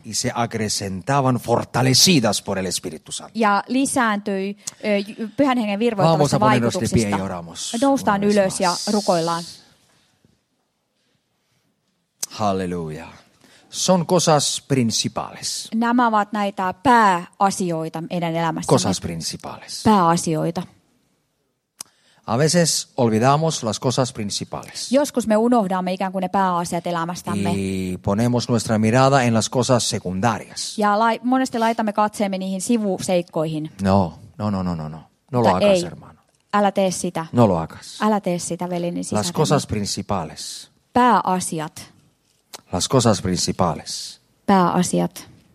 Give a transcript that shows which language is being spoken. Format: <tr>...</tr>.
<es>Y se acrecentaban fortalecidas por el Espíritu Santo.</es> <fi>Ja lisääntyi Pyhän Hengen virvoittamassa vaikutuksista. Noustaan ylös ja rukoillaan.</fi> <es>Halleluja. Son cosas principales.</es> <fi>Nämä ovat näitä pääasioita meidän elämässä.</fi> <es>Cosas principales.</es> <fi>Pääasioita.</fi> <es>A veces olvidamos las cosas principales.</es> <fi>Joskus me unohdamme ikään kuin ne pääasiat elämästämme.</fi> <es>Y ponemos nuestra mirada en las cosas secundarias.</es> <fi>Ja monesti laitamme katseemme niihin sivuseikkoihin.</fi> <es>No. No lo hagas, hermano.</es> <fi>Älä tee sitä.</fi> <es>No lo hagas.</es> <fi>Älä tee sitä, veljeni sisäreni.</fi> <es>Las cosas principales.</es> <fi>Pääasiat.</fi> <es>Las cosas principales.</es> <fi>Pääasiat.</fi>